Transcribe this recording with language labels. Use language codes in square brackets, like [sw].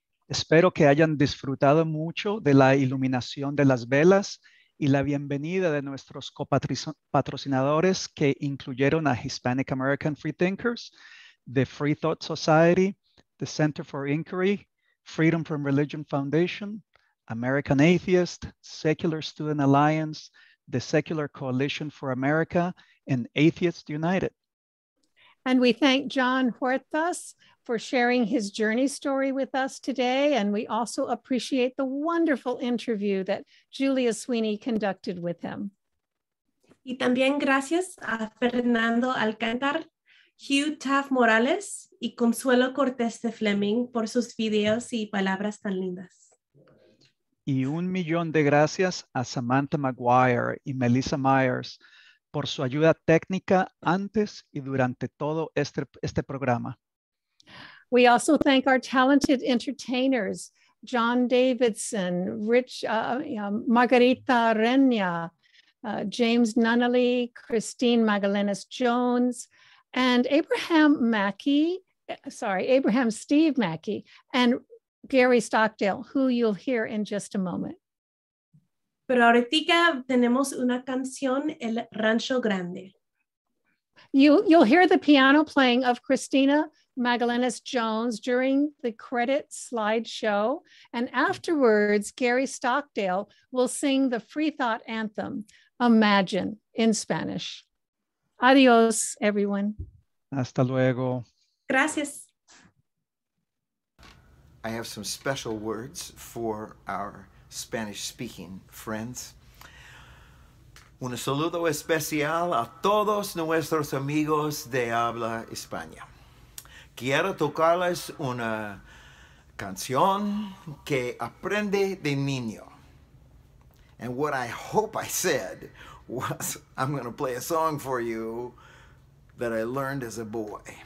[es] Espero que hayan disfrutado mucho de la iluminación de las velas y la bienvenida de nuestros copatrocinadores que incluyeron a Hispanic American Freethinkers, the Free Thought Society, the Center for Inquiry, Freedom from Religion Foundation, American Atheist, Secular Student Alliance, the Secular Coalition for America, and Atheist United. [en] And we thank John Huertas for sharing his journey story with us today. And we also appreciate the wonderful interview that Julia Sweeney conducted with him. [es] Y también gracias a Fernando Alcántar, Hugh Taff Morales, y Consuelo Cortés de Fleming por sus videos y palabras tan lindas. Y un millón de gracias a Samantha Maguire y Melissa Myers por su ayuda técnica antes y durante todo este programa. [en] We also thank our talented entertainers, John Davidson, Margarita Reña, James Nunnally, Christine Magdalenas Jones, and Abraham Steve Mackey, and Gary Stockdale, who you'll hear in just a moment. [es] Pero ahorita tenemos una canción, El Rancho Grande. [en] You'll hear the piano playing of Christina Magdalenas Jones during the credit slideshow. And afterwards, Gary Stockdale will sing the free thought anthem, Imagine, in Spanish. Adios, everyone. [es] Hasta luego. Gracias. [en] I have some special words for our Spanish-speaking friends. [es] Un saludo especial a todos nuestros amigos de habla España. Quiero tocarles una canción que aprendí de niño. [en] And what I hope I said was, I'm going to play a song for you that I learned as a boy.